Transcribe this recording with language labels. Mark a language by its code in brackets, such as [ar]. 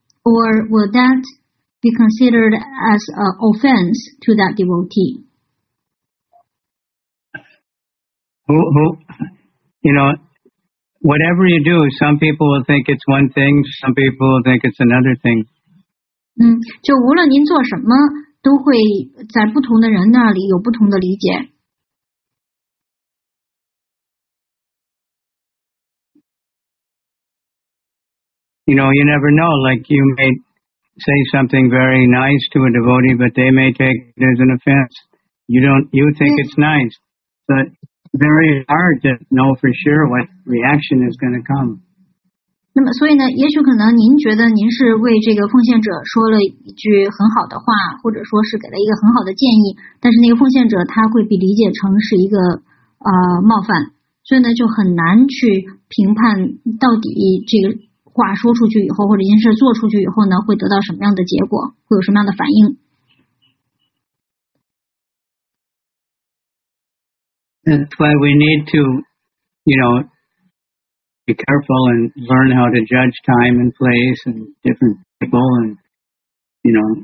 [en] Or will that be considered as an offense to that devotee? Who, you know, whatever you do, some people will think it's one thing, some people will think it's another thing. [zh] 就无论您做什么，都会在不同的人那里有不同的理解。 [en] You know, you never know, like you may say something very nice to a devotee, but they may take it as an offense. You think it's nice, but... Very hard to know for sure what reaction is going to come. [zh] 那么，所以呢，也许可能您觉得您是为这个奉献者说了一句很好的话，或者说是给了一个很好的建议，但是那个奉献者他会被理解成是一个冒犯，所以呢，就很难去评判到底这个话说出去以后，或者一件事做出去以后呢，会得到什么样的结果，会有什么样的反应。 [en] That's why we need to, you know, be careful and learn how to judge time and place and different people and, you know.